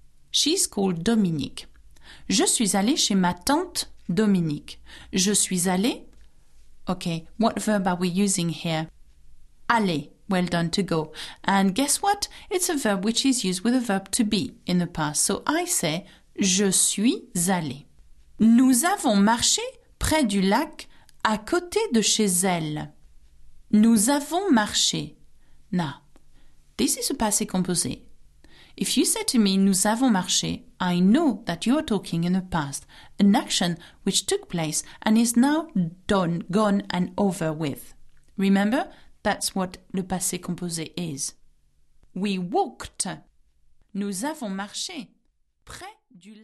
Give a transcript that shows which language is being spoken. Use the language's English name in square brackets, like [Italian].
[English] She's called Dominique. [French] Je suis allée chez ma tante Dominique. Je suis allée. [English] Okay, what verb are we using here? Aller. Well done, to go. And guess what? It's a verb which is used with a verb to be in the past. So I say [French] je suis allée. Nous avons marché près du lac à côté de chez elle. Nous avons marché. [English] Now, this is a passé composé. If you say to me, [French] nous avons marché, [English] I know that you are talking in the past, an action which took place and is now done, gone and over with. Remember, that's what le passé composé is. We walked. [French] Nous avons marché près du lac.